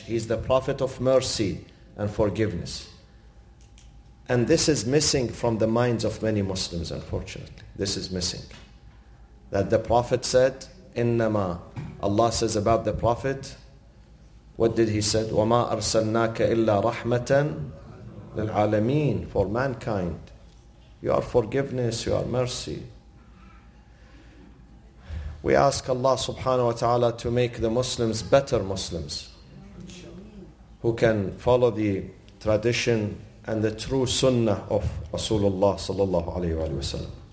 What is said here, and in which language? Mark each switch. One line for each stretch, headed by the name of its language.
English: He's the Prophet of mercy and forgiveness. And this is missing from the minds of many Muslims, unfortunately. This is missing. That the Prophet said,
Arabic: إِنَّمَا,
English: Allah says about the Prophet, what did he say?
Arabic: وَمَا أَرْسَلْنَاكَ إِلَّا رَحْمَةً لِلْعَالَمِينَ,
English: for mankind. You are forgiveness, you are mercy. We ask Allah subhanahu wa ta'ala to make the Muslims better Muslims, who can follow the tradition and the true sunnah of Rasulullah sallallahu alayhi wa sallam.